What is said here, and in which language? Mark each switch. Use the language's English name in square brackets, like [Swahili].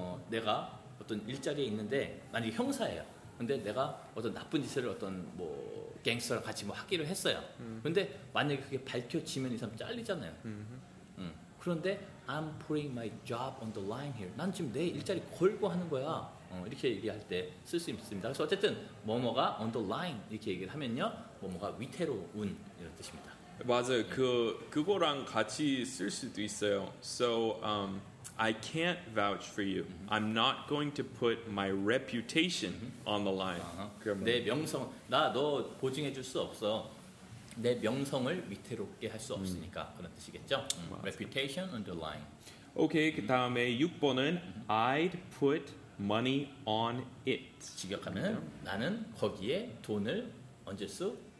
[Korean] 내가 어떤 일자리에 있는데 만약에 형사예요 근데 내가 어떤 나쁜 짓을 어떤 뭐 갱스터랑 같이 뭐 하기로 했어요 근데 만약에 그게 밝혀지면 이 사람 잘리잖아요 그런데 I'm putting my job on the line here. 난 지금 내 일자리 걸고 하는 거야. 이렇게 얘기할 때 쓸 수 있습니다. 그래서 어쨌든 뭐뭐가 on the line 이렇게 얘기를 하면요. 뭐뭐가 위태로운 이런 뜻입니다. 맞아요. 그거랑 같이 쓸 수도 있어요. [English] So I can't vouch for you. I'm not going to put my reputation on the line. [Korean] 내 명성, 나 너 보증해 줄 수 없어. 내 명성을 위태롭게 할 수 없으니까 그런 뜻이겠죠. [English] Reputation on the line. 오케이, 그다음에 6번은 I'd put money on it. [Korean] 직역하면 나는 거기에 돈을 얹을 수